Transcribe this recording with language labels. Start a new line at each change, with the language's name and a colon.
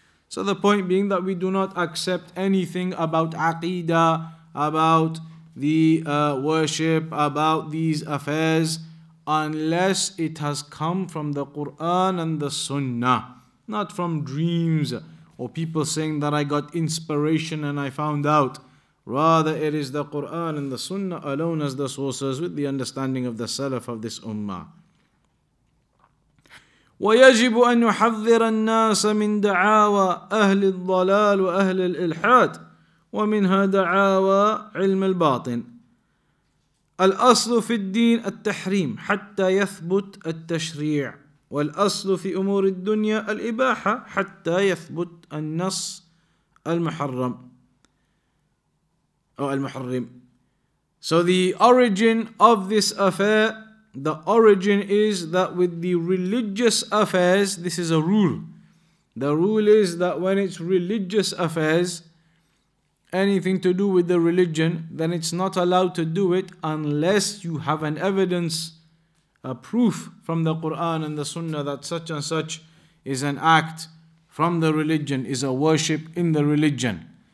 English: So the point being that we do not accept anything about عقيدة about the worship about these affairs unless it has come from the Quran and the Sunnah, not from dreams or people saying that I got inspiration and I found out. Rather, it is the Quran and the Sunnah alone as the sources with the understanding of the Salaf of this Ummah.
Arabic: وَيَجِبُ أَن يُحَذِّرَ النَّاسَ مِن دَعَاوَى أَهْلِ الضَّلَالِ وَأَهْلِ الْإِلْحَادِ وَمِنْهَا دَعَاوَى عِلْمِ الْبَاطِنِ الأصل في الدين التحريم حتى يثبت التشريع والأصل في أمور الدنيا الإباحة حتى يثبت النص المحرم أو المحرم.
English: So the origin of this affair, the origin is that with the religious affairs, this is a rule. The rule is that when it's religious affairs, anything to do with the religion, then it's not allowed to do it unless you have an evidence, a proof from the Quran and the Sunnah that such and such is an act from the religion, is a worship in the religion.